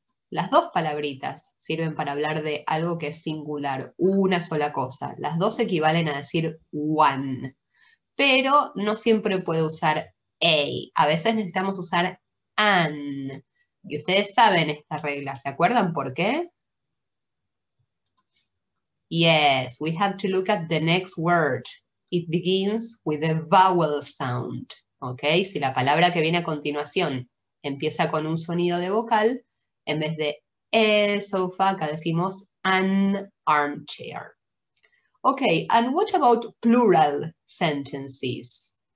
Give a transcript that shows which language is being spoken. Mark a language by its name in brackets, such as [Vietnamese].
[Spanish] Las dos palabritas sirven para hablar de algo que es singular, una sola cosa. Las dos equivalen a decir one. Pero no siempre puede usar a. A veces necesitamos usar an. Y ustedes saben esta regla, ¿se acuerdan por qué? [English] Yes, we have to look at the next word. It begins with a vowel sound. [Spanish] Okay, si la palabra que viene a continuación empieza con un sonido de vocal, en vez de [English] a sofa, [Spanish] acá decimos [English] an armchair. Okay, and what about plural sentences?